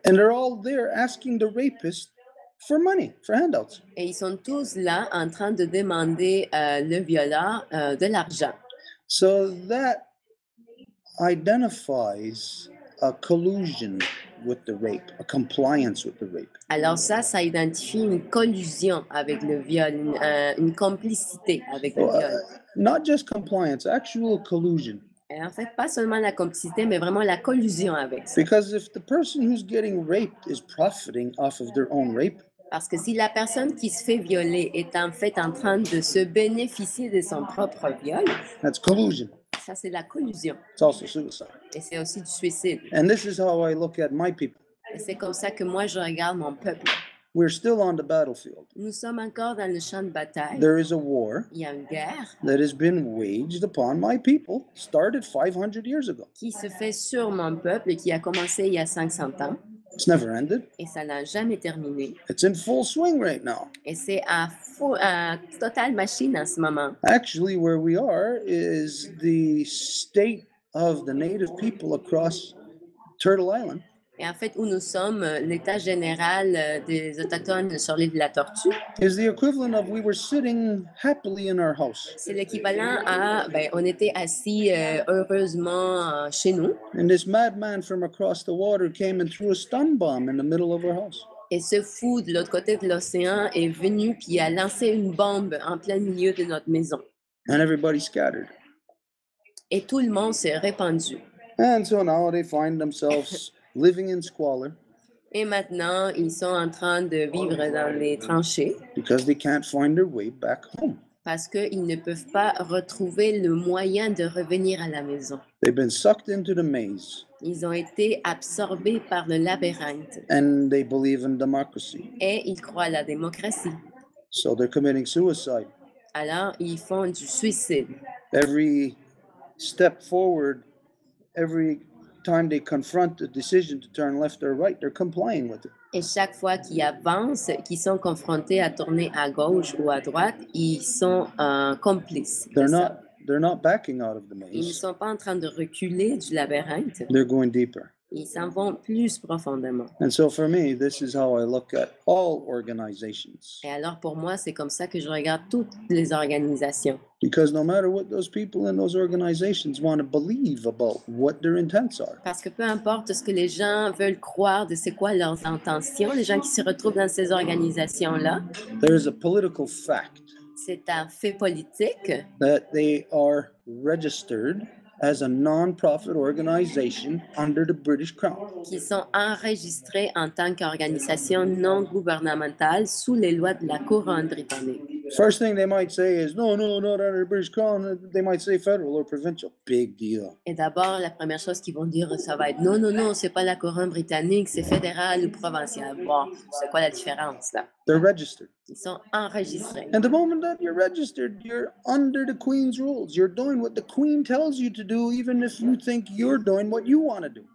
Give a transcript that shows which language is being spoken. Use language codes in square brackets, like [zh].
[en] And they're all there asking the rapist for money, for handouts. [fr] Et ils sont tous là en train de demander le violeur de l'argent. [en] So that identifies a collusion with the rape, a compliance with the rape. [fr] Alors ça identifie une collusion avec le viol, une complicité avec le viol. [en] Not just compliance, actual collusion. [fr] Et en fait, pas seulement la complicité, mais vraiment la collusion avec ça. [en] Because if the person who's getting raped is profiting off of their own rape. [fr] Parce que si la personne qui se fait violer est en fait en train de se bénéficier de son propre viol. [en] That's collusion. [fr] Ça, c'est la collusion. [en] It's also suicide. [fr] Et c'est aussi du suicide. [en] And this is how I look at my people. [fr] Et c'est comme ça que moi, je regarde mon peuple. [en] We're still on the battlefield. [fr] Nous sommes encore dans le champ de bataille. [en] There is a war. [fr] Il y a une guerre. [en] That has been waged upon my people, started 500 years ago. [fr] Qui se fait sur mon peuple, qui a commencé il y a 500 ans. [en] It's never ended. [fr] Et ça n'a jamais terminé. [en] It's in full swing right now. [fr] Et c'est à totale machine en ce moment. [en] Actually, where we are is the state of the native people across Turtle Island. [fr] Et en fait, où nous sommes, l'état général des Autochtones sur l'île de la Tortue. [en] Is the equivalent of we were sitting happily in our house. [fr] C'est l'équivalent à, ben, on était assis heureusement chez nous. [en] And this madman from across the water came and threw a stun bomb in the middle of our house. [fr] Et ce fou de l'autre côté de l'océan est venu puis a lancé une bombe en plein milieu de notre maison. [en] And everybody scattered. [fr] Et tout le monde s'est répandu. [en] And so now they find themselves living in squalor. [fr] Et maintenant, ils sont en train de vivre dans les tranchées. [en] Because they can't find their way back home. [fr] Parce qu'ils ne peuvent pas retrouver le moyen de revenir à la maison. [en] They've been sucked into the maze. [fr] Ils ont été absorbés par le labyrinthe. [en] And they believe in democracy. [fr] Et ils croient à la démocratie. [en] So they're committing suicide. [fr] Alors, ils font du suicide. [en] Every step forward, every time they confront the decision to turn left or right, they're complying with it. [fr] Et chaque fois qu'ils avancent, qu'ils sont confrontés à tourner à gauche ou à droite, ils sont complices. [en] They're not backing out of the maze. [fr] Ils ne sont pas en train de reculer du labyrinthe. [en] They're going deeper. [fr] Ils s'en vont plus profondément. [en] And so for me, this is how I look at all organizations. [fr] Et alors pour moi, c'est comme ça que je regarde toutes les organisations. [en] Because no matter what those people in those organizations want to believe about what their intents are. [fr] Parce que peu importe ce que les gens veulent croire de c'est quoi leurs intentions, les gens qui se retrouvent dans ces organisations-là. [en] There is a political fact. [fr] C'est un fait politique. [en] That they are registered as a non-profit organization under the British Crown. [fr] Qui sont enregistrés en tant qu'organisation non gouvernementale sous les lois de la couronne britannique. [en] First thing they might say is no, not under the British Crown. They might say federal or provincial. Big deal. [fr] Et d'abord, la première chose qu'ils vont dire, ça va être non, c'est pas la couronne britannique, c'est fédéral ou provincial. Bon, c'est quoi la différence là? [en] They're registered. [fr] Ils sont enregistrés. [en] And the moment that you're registered, you're under the Queen's rules. You're doing what the Queen tells you to do, even if you think you're doing what you want to do.